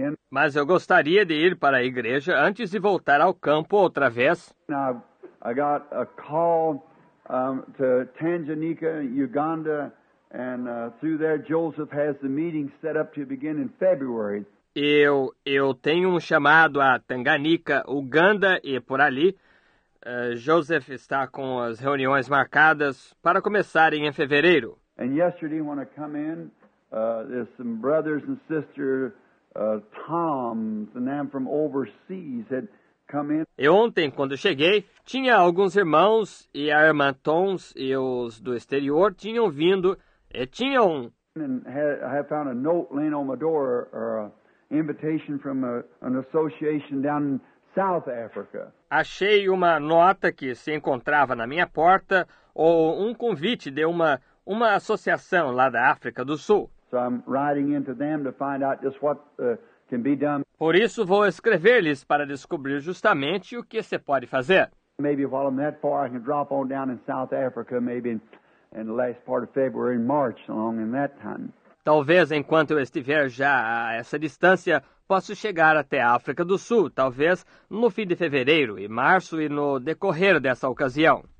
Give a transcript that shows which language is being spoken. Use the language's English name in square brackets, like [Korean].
[Portuguese] Mas eu gostaria de ir para a igreja antes de voltar ao campo outra vez. [English] I got a call to Tanganyika, Uganda. And through there, Joseph has the meeting set up to begin in February. [Portuguese] Eu tenho um chamado a Tanganyika, Uganda, e por ali, Joseph está com as reuniões marcadas para começarem em fevereiro. [English] And yesterday, when I come in, there's some brothers and sister Tom, and I'm from overseas, had come in. [Portuguese] E ontem, quando cheguei, tinha alguns irmãos e a irmã Tom's e os do exterior tinham vindo. E tinha um... [English] I have found a note laying on my door, or an invitation from an association down in South Africa. [Portuguese] Achei uma nota que se encontrava na minha porta, ou um convite de uma associação lá da África do Sul. [English] So I'm writing into them to find out just what can be done. [Portuguese] Por isso vou escrever-lhes para descobrir justamente o que se pode fazer. [English] Maybe while I'm that far, I can drop on down in South Africa, maybe... And the last part of February and March, along in that time. [Portuguese] Talvez enquanto eu estiver já a essa distância, posso chegar até a África do Sul, talvez no fim de fevereiro e março e no decorrer dessa ocasião.